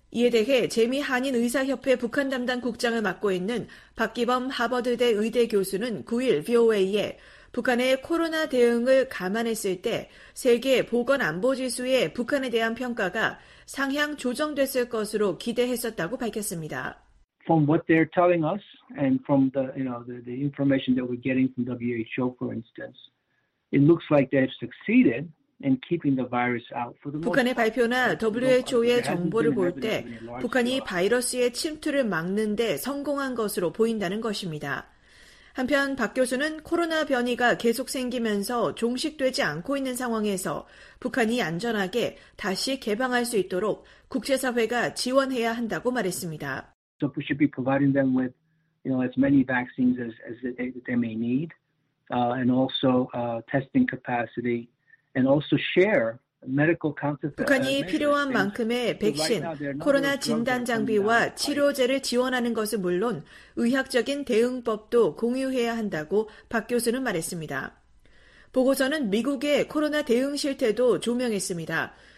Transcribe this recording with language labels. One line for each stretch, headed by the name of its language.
Korean: 이에 대해 재미 한인의사협회 북한 담당 국장을 맡고 있는 박기범 하버드대 의대 교수는 9일 VOA에 북한의 코로나 대응을 감안했을 때 세계 보건안보지수의 북한에 대한 평가가 상향 조정됐을 것으로 기대했었다고 밝혔습니다.
English: From what they're telling us and from the, you know, the information that we're getting from WHO, for instance, it looks like they've succeeded.
Korean: 북한의 발표나 WHO의 정보를 볼 때 북한이 바이러스의 침투를 막는 데 성공한 것으로 보인다는 것입니다. 한편 박 교수는 코로나 변이가 계속 생기면서 종식되지 않고 있는 상황에서 북한이 안전하게 다시 개방할 수 있도록 국제사회가 지원해야 한다고 말했습니다.
English: So we should be providing them with, you know, as many vaccines as they may need, and also testing capacity. And also share medical counter
Korean: 북한이 필요한 만큼의 백신, 코로나 진단 장비와 치료제를 지원하는 것은 물론 의학적인 대응법도 공유해야 한다고 박 교수는 말했습니다. 보고서는 미국의 코로나 대응 실태도 조명했습니다.